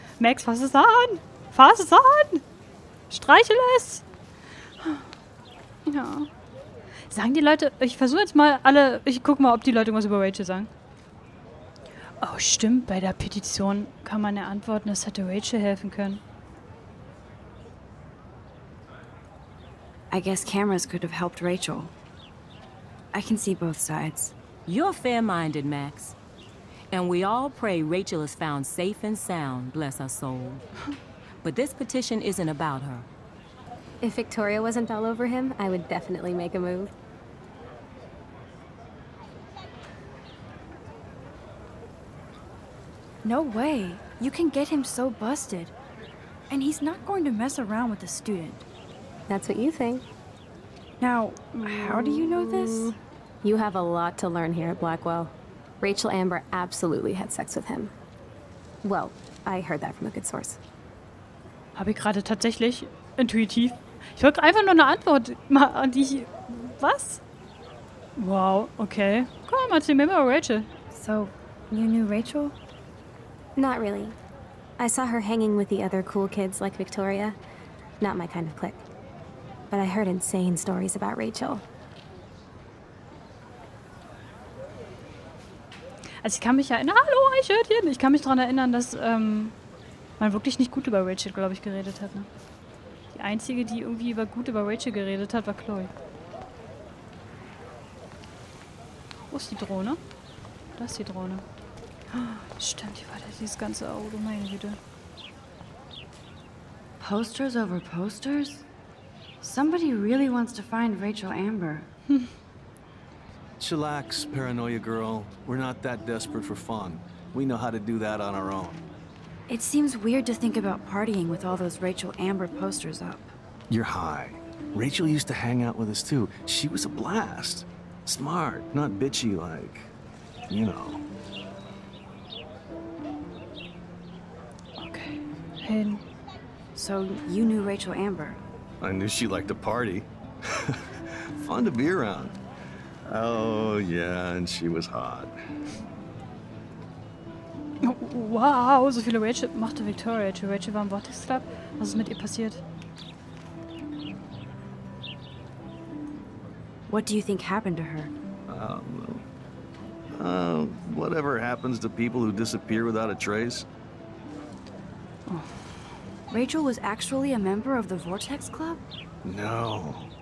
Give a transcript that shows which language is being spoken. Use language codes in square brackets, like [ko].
[de] Max, fass es an. Fass es an. Streichel es. Ja. Sagen die Leute, ich versuche jetzt mal alle, ich guck mal, ob die Leute irgendwas über Rachel sagen. Oh, stimmt, bei der Petition kann man ja antworten, das hätte Rachel helfen können. [en] I guess cameras could have helped Rachel. I can see both sides. You're fair-minded, Max. And we all pray Rachel is found safe and sound, bless her soul. But this petition isn't about her. If Victoria wasn't all over him, I would definitely make a move. No way. You can get him so busted. And he's not going to mess around with a student. That's what you think. Now, how do you know this? You have a lot to learn here at Blackwell. Rachel Amber absolutely had sex with him. Well, I heard that from a good source. [de] Habe ich gerade tatsächlich intuitiv. Ich wollte einfach nur eine Antwort machen, die ich... Was? Wow, okay. Komm, erzähl mir mal über Rachel. [en] So, you knew Rachel? Not really. I saw her hanging with the other cool kids like Victoria. Not my kind of clique. But I heard insane stories about Rachel. [de] Also ich kann mich erinnern, hallo Eichhörnchen, ich kann mich daran erinnern, dass man wirklich nicht gut über Rachel, glaube ich, geredet hat. Ne? Die Einzige, die irgendwie über gut über Rachel geredet hat, war Chloe. Wo ist die Drohne? Da ist die Drohne. Oh, stimmt, die war da dieses ganze Auto, meine Güte. [en] Posters over posters? Somebody really wants to find Rachel Amber. Chillax, paranoia girl. We're not that desperate for fun. We know how to do that on our own. It seems weird to think about partying with all those Rachel Amber posters up. You're high. Rachel used to hang out with us too. She was a blast. Smart, not bitchy like, you know. Okay. Hayden. So you knew Rachel Amber? I knew she liked to party. Fun to be around. Oh, yeah, and she was hot. [de] Wow, so viele Rachel machte Victoria. Zu Rachel war im Vortex Club. Was ist mit ihr passiert? [en] What do you think happened to her? Whatever happens to people who disappear without a trace. Oh. Rachel was actually a member of the Vortex Club? No.